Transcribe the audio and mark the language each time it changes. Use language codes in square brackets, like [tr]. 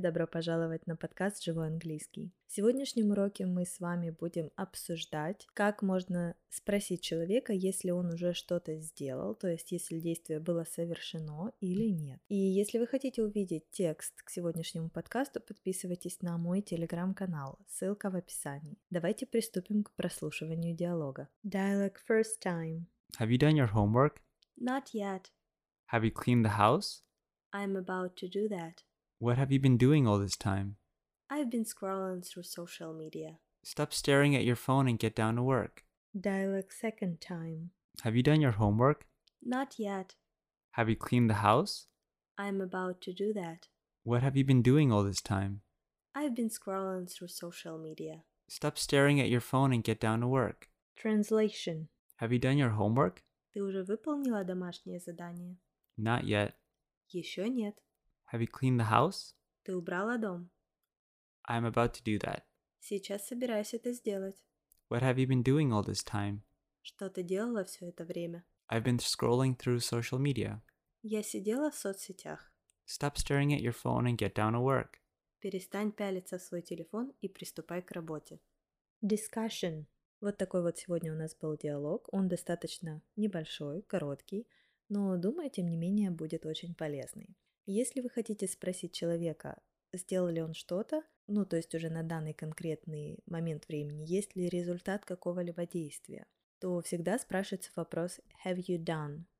[ru] Добро пожаловать на подкаст «Живой английский». В сегодняшнем уроке мы с вами будем обсуждать, как можно спросить человека, если он уже что-то сделал, то есть если действие было совершено или нет. И если вы хотите увидеть текст к сегодняшнему подкасту, подписывайтесь на мой телеграм-канал, ссылка в описании. Давайте приступим к прослушиванию диалога. [en] Dialogue first time. Have you done your homework? Not yet. Have you cleaned the house? I'm about to do that. What have you been doing all this time? I've been scrolling through social media. Stop staring at your phone and get down to work. Dialogue second time. Have you done your homework? Not yet. Have you cleaned the house? I'm about to do that. What have you been doing all this time? I've been scrolling through social media. Stop staring at your phone and get down to work. Translation. Have you done your homework? [ru] Ты уже выполнила домашнее задание? [en] Not yet. [ru] Еще нет. [en] Have you cleaned the house? [ru] Ты убрала дом? [en] I'm about to do that. [ru] Сейчас собираюсь это сделать. [en] What have you been doing all this time? [ru] Что ты делала все это время? [en] I've been scrolling through social media. [ru] Я сидела в соцсетях. [en] Stop staring at your phone and get down to work. [ru] Перестань пялиться в свой телефон и приступай к работе. [en] Discussion. [ru] Вот такой вот сегодня у нас был диалог. Он достаточно небольшой, короткий. Но, думаю, тем не менее, будет очень полезный. Если вы хотите спросить человека, сделал ли он что-то, ну, то есть уже на данный конкретный момент времени, есть ли результат какого-либо действия, то всегда спрашивается вопрос [en] «Have you done?